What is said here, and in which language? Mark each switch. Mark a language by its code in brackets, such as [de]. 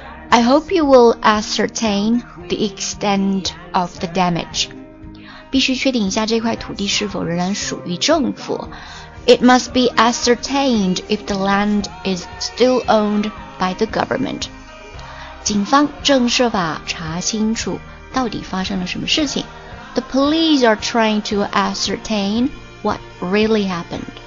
[en] I hope you will ascertain the extent of the damage. [zh] 必须确定一下这块土地是否仍然属于政府。 [en] It must be ascertained if the land is still owned by the government. [zh] 警方正设法查清楚到底发生了什么事情。 [en] The police are trying to ascertain what really happened.